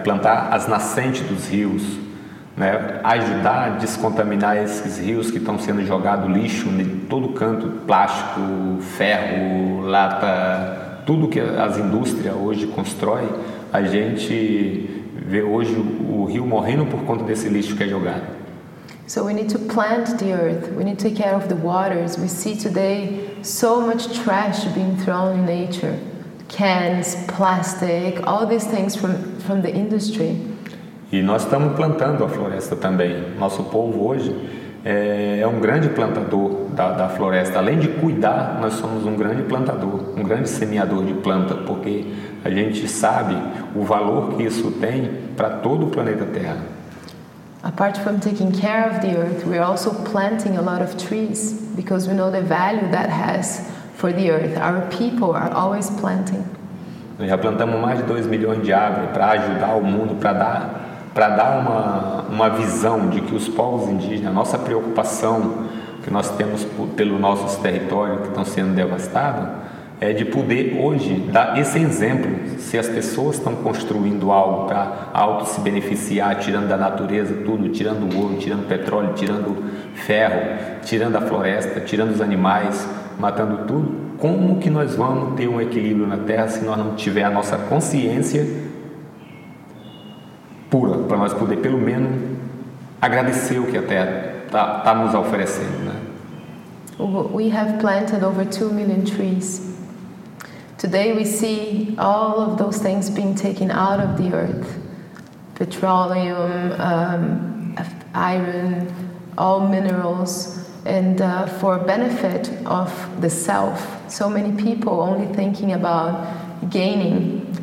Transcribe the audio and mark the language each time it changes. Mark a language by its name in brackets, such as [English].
[Portuguese] Plantar as nascentes dos rios, né? Ajudar a descontaminar esses rios que estão sendo jogados lixo em todo canto, plástico, ferro, lata, tudo que as indústrias hoje constroem. A gente vê hoje o rio morrendo por conta desse lixo que é jogado. [English] So we need to plant the earth, we need to take care of the waters. We see today so much trash being thrown in nature. Cans, plastic, all these things from the industry. [Portuguese] E nós estamos plantando a floresta também. Nosso povo hoje é um grande plantador da floresta. Além de cuidar, nós somos um grande plantador, um grande semeador de planta, porque a gente sabe o valor que isso tem para todo o planeta Terra. [English] Apart from taking care of the earth, we are also planting a lot of trees because we know the value that has for the earth. Our people are always planting. [Portuguese] Nós já plantamos mais de 2 milhões de árvores para ajudar o mundo, para dar uma visão de que os povos indígenas, a nossa preocupação que nós temos pelo nosso território que estão sendo devastados, é de poder hoje dar esse exemplo. Se as pessoas estão construindo algo para auto se beneficiar, tirando da natureza tudo, tirando o ouro, tirando o petróleo, tirando o ferro, tirando a floresta, tirando os animais, matando tudo, como que nós vamos ter um equilíbrio na Terra se nós não tiver a nossa consciência pura, para nós poder pelo menos agradecer o que a Terra está nos oferecendo, né? [English] We have planted over 2 million trees. Today we see all of those things being taken out of the earth. Petroleum, iron, all minerals. And for benefit of the self, so many people only thinking about gaining.